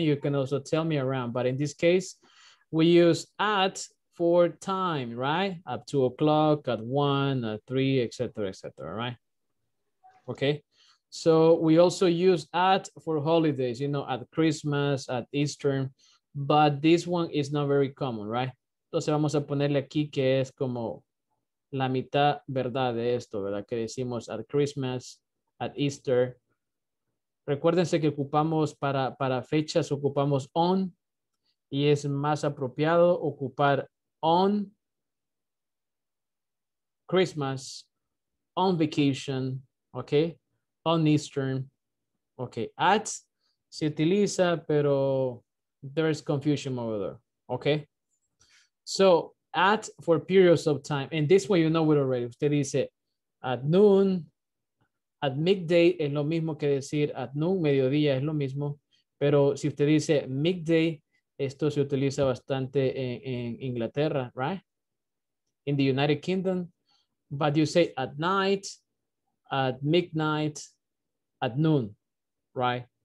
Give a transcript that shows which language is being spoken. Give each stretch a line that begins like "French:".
English: You can also tell me around, but in this case, we use at for time, right? Up 2 o'clock, at 1, at 3, etc., etc., right? Okay. So we also use at for holidays, you know, at Christmas, at Easter, but this one is not very common, right?
Spanish: Entonces vamos a ponerle aquí que es como la mitad, ¿verdad? De esto, ¿verdad? Que decimos at Christmas, at Easter. Recuérdense que ocupamos para fechas, ocupamos on, y es más apropiado ocupar on Christmas, on vacation, okay, on Easter, okay.
English: At
Spanish: se utiliza, pero
English: there is confusion over there, okay? So, at for periods of time, and this way you know it already.
Spanish: Usted dice at noon, at midday es lo mismo que decir at noon, mediodía es lo mismo, pero si usted dice midday, esto se utiliza bastante en Inglaterra, right?
English: In the United Kingdom. But you say at night, at midnight, at noon, right?